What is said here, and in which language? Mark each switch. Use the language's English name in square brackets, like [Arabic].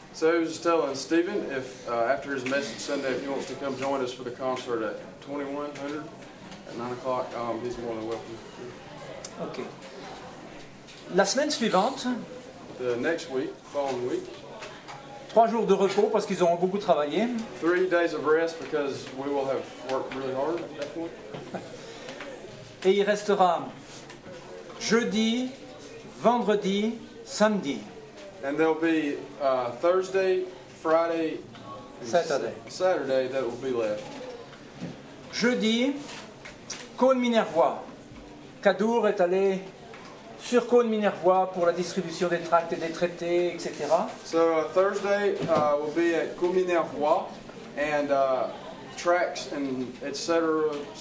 [English] So I was just telling Stephen, if after his message Sunday, if he wants to come join us for the concert at 2100 at 9 o'clock, he's more than welcome. [French] Okay. La semaine suivante. [English] The next week, following week. [French] 3 jours de repos parce qu'ils auront beaucoup travaillé. [English] 3 days of rest because we will have worked really hard at that point. [French] Et il restera jeudi, vendredi, samedi. [English] And there'll be Thursday, Friday, Saturday. Saturday that will be left. [French] Jeudi, Cône Minervois. Cadour est allé sur Cône Minervois pour la distribution des tracts et des traités, etc. [English] So Thursday will be at Cône Minervois, and tracts and etc.